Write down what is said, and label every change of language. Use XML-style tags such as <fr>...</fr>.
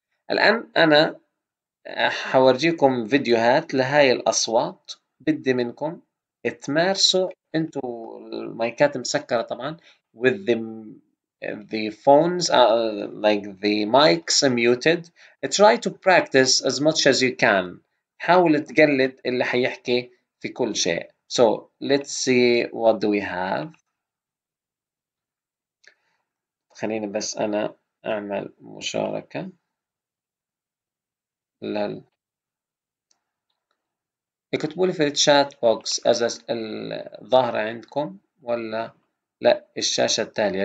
<ar>الآن أنا حورجيكم فيديوهات لهاي الأصوات، بدي منكم تمارسوا أنتوا المايكات مسكرة طبعاً</ar> <en>with the phones like the mics muted. Try to practice as much as you can.</en> <ar>حاول تقلد اللي حيحكي في كل شيء.</ar> <en>So let's see what do we have.</en> <ar>خليني بس أنا أعمل مشاركة لل اكتبوا لي في الشات بوكس as الظاهرة عندكم ولا لا الشاشة التالية.</ar>